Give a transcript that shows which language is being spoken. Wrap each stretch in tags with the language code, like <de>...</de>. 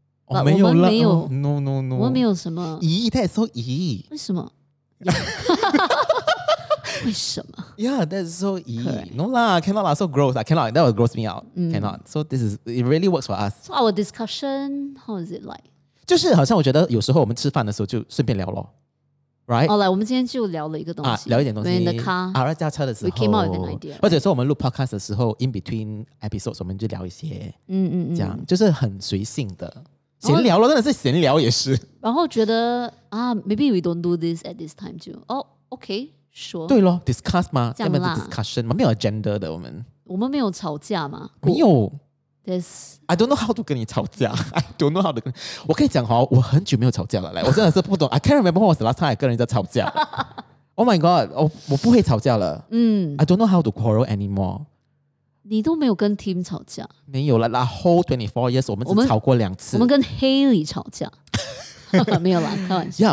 <en>Oh. But</en> <zh>我们没有</zh> <en>No.</en> <zh>我们没有什么</zh> <en>That is so 咦</en> <zh>为什么 yeah. 为什么</zh> <en>Yeah, that is so 咦 No lah, cannot lah. So gross lah. Cannot. That will gross me out. Cannot. So this is, it really works for us. So our discussion, how is it like?</en> <zh>就是好像我觉得有时候我们吃饭的时候就顺便聊咯.</zh> <en>Right? Oh, like</en> <zh>我们今天就聊了一个东西聊一点东西</zh> <en>When in the car</en> <zh>驾车的时候</zh> <en>We came out with an idea.</en> <zh>或者说我们录 podcast 的时候</zh> <en>In between episodes</en> <zh>我们就聊一些 这样就是很随性的 闲聊了，真的是闲聊也是。然后觉得,</zh> <en>maybe we don't do this at this time too. Oh, okay, sure.</en> <zh>对咯, discuss 嘛, 这样啦。Discussion 嘛, 没有 agenda 的, 我们。我们没有吵架吗? 没有。</zh> <en>There's... I don't know how to</en> <zh>跟你吵架。</zh> <en>I don't know how to</en> <zh>跟你... 我可以讲哦, 我很久没有吵架了, 来, 我真的是不懂。</zh> <en>I can't remember when was the last time I</en> <zh>跟人家吵架。</zh> <en>Oh my God,</en> <zh>我不会吵架了。</zh> <en>I don't know how to quarrel anymore.</en> <zh>你都没有跟 team 吵架? 没有了啦,</zh> <en>whole 24 years</en> <zh>我们只吵过两次。我们跟 Haley 吵架。没有啦，开玩笑。</zh>